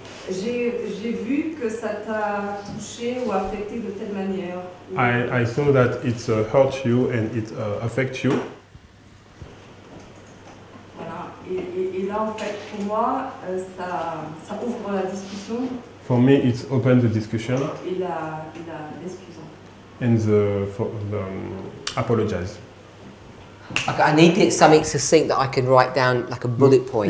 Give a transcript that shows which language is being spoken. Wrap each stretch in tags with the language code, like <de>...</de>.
<fr>j'ai vu que ça t'a touché ou affecté de telle manière.</fr> <en>I saw that it hurt you and it affect you.</en> <fr>Voilà. Et là, en fait, pour moi, ça ouvre la discussion.</fr> <en>For me, it's opened the discussion.</en> <fr>Et la discussion.</fr> <en>And the apologize. Okay, I need something succinct that I can write down like a bullet point.</en>